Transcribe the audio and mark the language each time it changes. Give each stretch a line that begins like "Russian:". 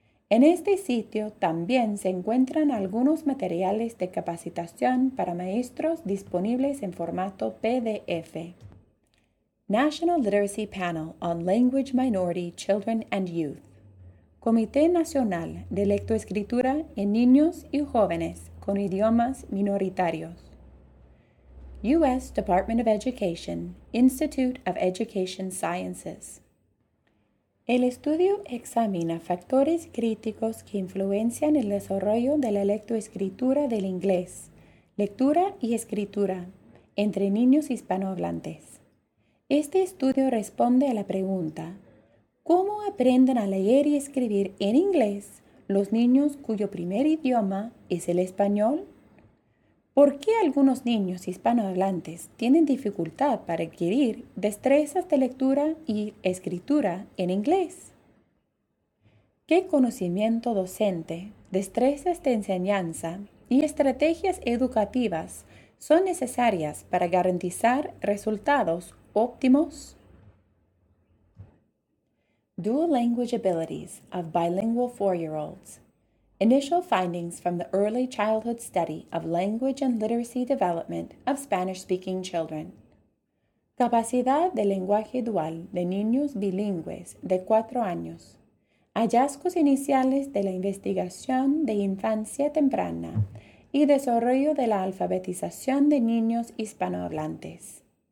Spanish: En este sitio también se encuentran algunos materiales de capacitación para maestros disponibles en formato PDF.
English: National Literacy Panel on Language Minority Children and Youth.
Spanish: Comité Nacional de Lectoescritura en Niños y Jóvenes con Idiomas Minoritarios.
English: U.S. Department of Education, Institute of Education Sciences.
Spanish: El estudio examina factores críticos que influencian el desarrollo de la lectoescritura del inglés, lectura y escritura, entre niños hispanohablantes. Este estudio responde a la pregunta, ¿cómo aprenden a leer y escribir en inglés los niños cuyo primer idioma es el español? ¿Por qué algunos niños hispanohablantes tienen dificultad para adquirir destrezas de lectura y escritura en inglés? ¿Qué conocimiento docente, destrezas de enseñanza y estrategias educativas son necesarias para garantizar resultados óptimos?
English: Dual Language Abilities of Bilingual 4-Year-Olds. Initial findings from the early childhood study of language and literacy development of Spanish-speaking children.
Spanish: Capacidad de lenguaje dual de niños bilingües de 4 años. Hallazgos iniciales de la investigación de infancia temprana y desarrollo de la alfabetización de niños hispanohablantes.